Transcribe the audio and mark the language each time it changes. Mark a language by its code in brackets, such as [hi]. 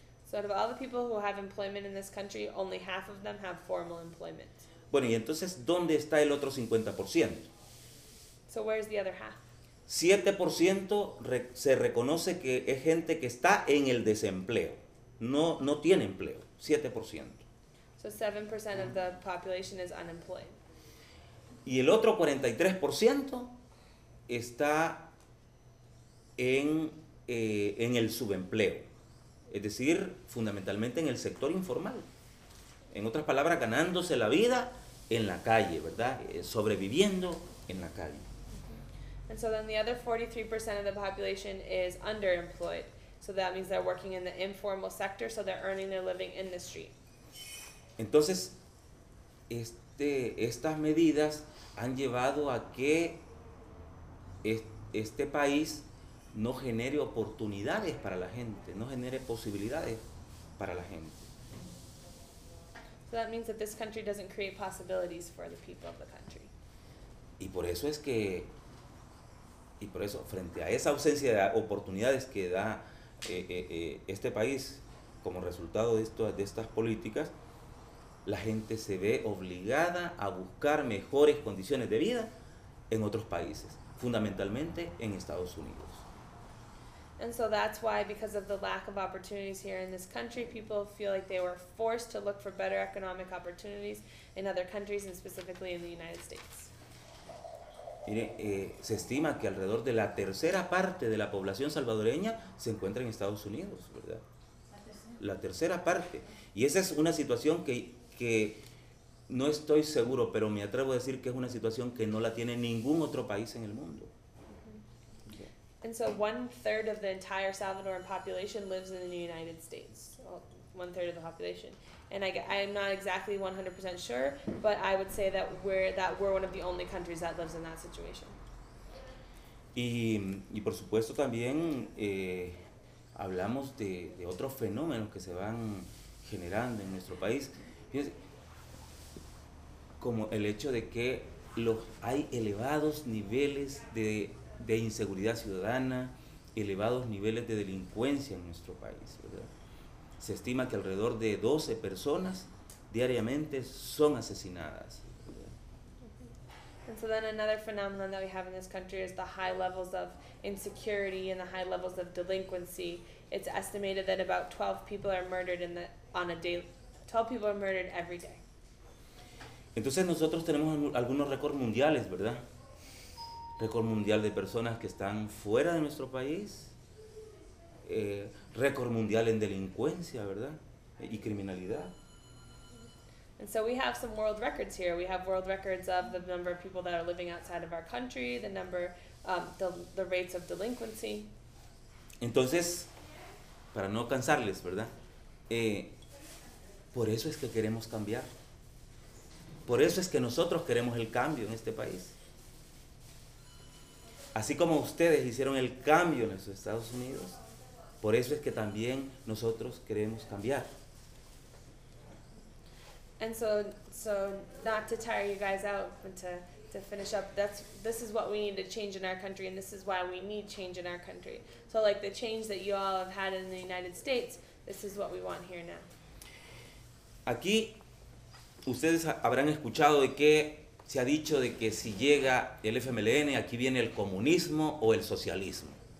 [en] So out of all the people who have employment in this country, only half of them have formal employment. [es] Bueno, y entonces, ¿dónde está el otro 50%? [en] So where is the other half? [es] 7% se reconoce que es gente que está en el desempleo. No tiene empleo, 7%. So 7% of the population is unemployed. Y el otro 43% está en el subempleo, es decir, fundamentalmente en el sector informal. En otras palabras, ganándose la vida en la calle, ¿verdad? Sobreviviendo en la calle. [en] And so then the other 43% of the population is underemployed. So that means they're working in the informal sector, so they're earning their living in the street. [es] Entonces, estas medidas han llevado a que este país no genere oportunidades para la gente, no genere posibilidades para la gente. [en] So that means that this country doesn't create possibilities for the people of the country. [es] Y por eso es que, y por eso, frente a esa ausencia de oportunidades que da este país como resultado de estas políticas, la gente se ve obligada a buscar mejores condiciones de vida en otros países, fundamentalmente en Estados Unidos. [en] And so that's why, because of the lack of opportunities here in this country, people feel like they were forced to look for better economic opportunities in other countries, and specifically in the United States. [es] Mire, se estima que alrededor de la tercera parte de la población salvadoreña se encuentra en Estados Unidos, ¿verdad? La tercera parte. Y esa es una situación que no estoy seguro, pero me atrevo a decir que es una situación que no la tiene ningún otro país en el mundo. [en] And so 1/3 of the entire Salvadoran population lives in the United States. Well, 1/3 of the population. And I'm not exactly 100% sure, but I would say that we're one of the only countries that lives in that situation. [es] Y por supuesto también hablamos de otros fenómenos que se van generando en nuestro país. Fíjense, como el hecho de que hay elevados niveles de inseguridad ciudadana, elevados niveles de delincuencia en nuestro país, ¿verdad? Se estima que alrededor de 12 personas diariamente son asesinadas. [en] And so then another phenomenon that we have in this country is the high levels of insecurity and the high levels of delinquency. It's estimated that about 12 people are murdered every day. [es] Entonces nosotros tenemos algunos récords mundiales, ¿verdad? Récord mundial de personas que están fuera de nuestro país. Récord mundial en delincuencia, ¿verdad? Y criminalidad. [en] And so we have some world records here. We have world records of the number of people that are living outside of our country, the number, the rates of delinquency. [es] Entonces, para no cansarles, ¿verdad? Por eso es que queremos cambiar. Por eso es que nosotros queremos el cambio en este país. Así como ustedes hicieron el cambio en los Estados Unidos, por eso es que también nosotros queremos cambiar. [en] And so not to tire you guys out, but to finish up, this is what we need to change in our country, and this is why we need change in our country. So like the change that you all have had in the United States, this is what we want here now. [es] Aquí ustedes habrán escuchado de que se ha dicho de que si llega el FMLN, aquí viene el comunismo o el socialismo.